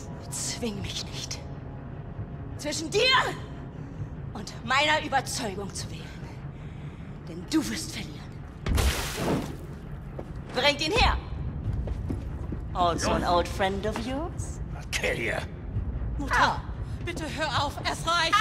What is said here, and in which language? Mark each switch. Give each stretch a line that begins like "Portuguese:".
German: Zwing mich nicht, zwischen dir und meiner Überzeugung zu wählen. Denn du wirst verlieren. Bringt ihn her!
English: Also an old friend of yours? I'll kill you.
German: Mutter, bitte hör auf, es reicht!